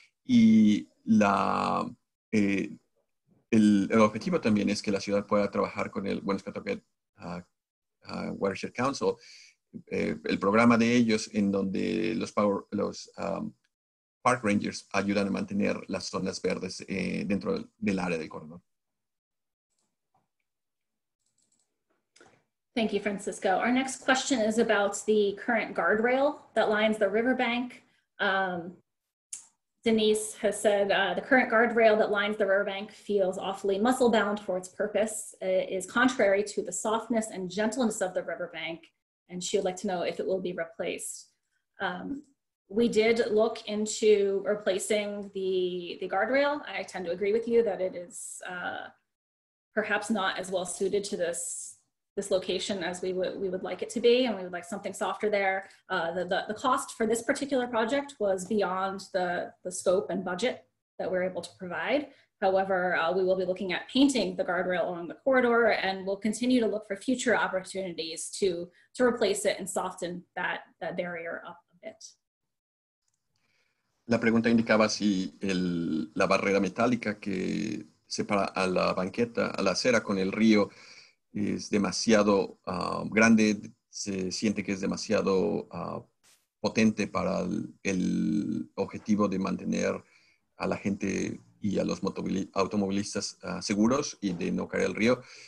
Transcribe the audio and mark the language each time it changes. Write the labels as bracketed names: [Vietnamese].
[Spanish] Y la, el objetivo también es que la ciudad pueda trabajar con el Woonasquatucket Watershed Council, el programa de ellos en donde los park rangers ayudan a mantener las zonas verdes dentro del área del corredor. [English] Thank you, Francisco. Our next question is about the current guardrail that lines the riverbank. Denise has said, the current guardrail that lines the riverbank feels awfully muscle-bound for its purpose. It is contrary to the softness and gentleness of the riverbank, and she would like to know if it will be replaced. We did look into replacing the guardrail. I tend to agree with you that it is perhaps not as well suited to this location as we would like it to be, and we would like something softer there. The cost for this particular project was beyond the scope and budget that we're able to provide. However, we will be looking at painting the guardrail along the corridor, and we'll continue to look for future opportunities to replace it and soften that barrier up a bit. [Spanish] La pregunta indicaba si la barrera metálica que separa a la banqueta, a la acera con el río, es demasiado grande, se siente que es demasiado potente para el objetivo de mantener a la gente y a los automovilistas seguros y de no caer al río.